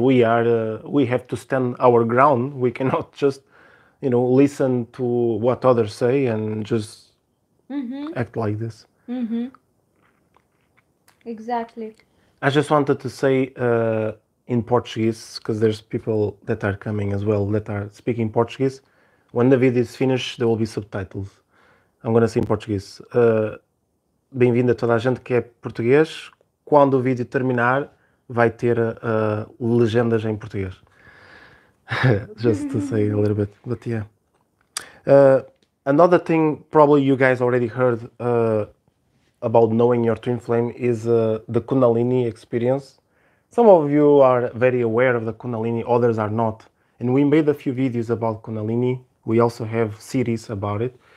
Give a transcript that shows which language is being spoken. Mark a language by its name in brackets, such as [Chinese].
[English] We are we have to stand our ground. We cannot just, you know, listen to what others say and just mm-hmm. act like this. Mm-hmm. Exactly. I just wanted to say in Portuguese, because there's people that are coming as well that are speaking Portuguese. When the video is finished, there will be subtitles. I'm going to say in Portuguese. [Portuguese] Bem-vindo a toda a gente que é português. Quando o vídeo terminar, vai ter legendas em português. [English] Just to say a little bit. But yeah. Another thing probably you guys already heard about knowing your twin flame is the Kundalini experience. Some of you are very aware of the Kundalini, others are not. And we made a few videos about Kundalini. We also have series about it.